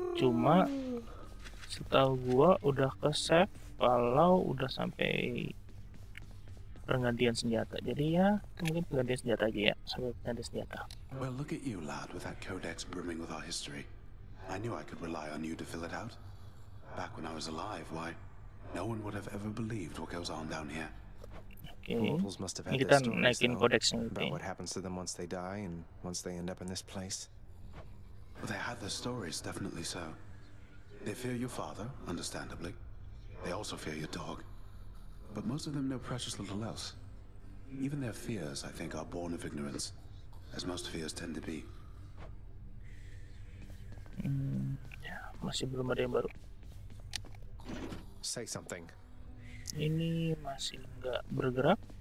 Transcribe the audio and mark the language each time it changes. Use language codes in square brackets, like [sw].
[id] Cuma setahu gue udah ke save kalau udah sampai penggantian senjata, jadi ya itu mungkin penggantian senjata aja ya, sampai penggantian senjata. [en] Well, look at you lad with that codex brimming with our history. I knew I could rely on you to fill it out. Back when I was alive, why, no one would have ever believed what goes on down here. Mortals must have had this stories, though, about what happens to them once they die and once they end up in this place. Well, they had their stories, definitely so. They fear your father, understandably. They also fear your dog. But most of them know precious little else. Even their fears, I think, are born of ignorance, as most fears tend to be. [id] Ya, masih belum ada yang baru. [en] Say something. [id] Ini masih enggak bergerak.